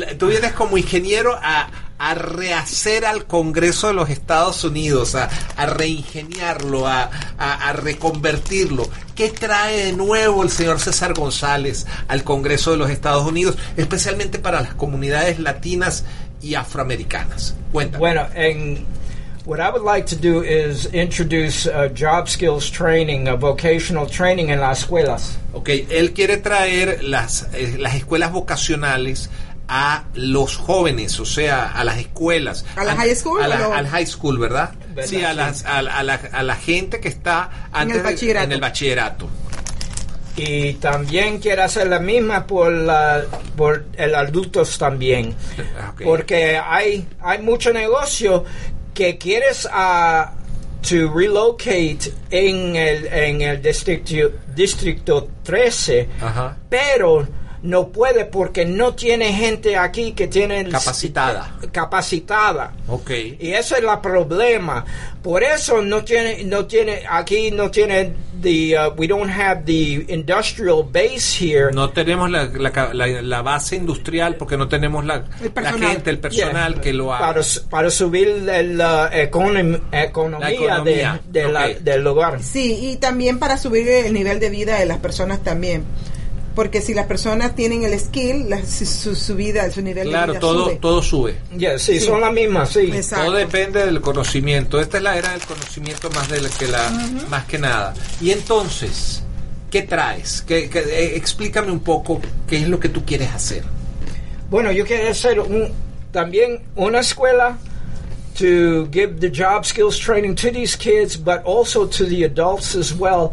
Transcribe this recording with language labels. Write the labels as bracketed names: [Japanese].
[Spanish] Tú vienes como ingeniero a rehacer al Congreso de los Estados Unidos, a reingeniarlo, a reconvertirlo. ¿Qué trae de nuevo el señor César González al Congreso de los Estados Unidos, especialmente para las comunidades latinas y afroamericanas? Cuéntame. Bueno, [English] what I would like to do is introduce job skills training, a vocational training [Spanish] en las escuelas. Okay, él quiere traer las escuelas vocacionales a los jóvenes, o sea, a las escuelas. ¿A la high school? Al high school, ¿verdad? Sí, a la gente que está antes en el bachillerato. Y también quiere hacer la misma por el adultos también. Okay. Porque hay mucho negocio que quieres [English] to relocate [Spanish] en el distrito 13, uh-huh. Pero no puede porque no tiene gente aquí que tiene... Capacitada. Ok. Y ese es el problema. Por eso [English] we don't have the industrial base here. [Spanish] No tenemos la base industrial porque no tenemos el personal yeah. que lo haga. Para subir la economía del lugar. Sí, y también para subir el nivel de vida de las personas también. Porque si las personas tienen el skill, su vida, su nivel claro, de vida sube. Claro, todo sube. Yeah, sí, son las mismas, sí. Exacto. Todo depende del conocimiento. Esta es la era del conocimiento más de la que la uh-huh. más que nada. Y entonces, ¿qué traes? Explícame un poco qué es lo que tú quieres hacer. Bueno, yo quiero hacer también una escuela [English] to give the job skills training to these kids, but also to the adults as well.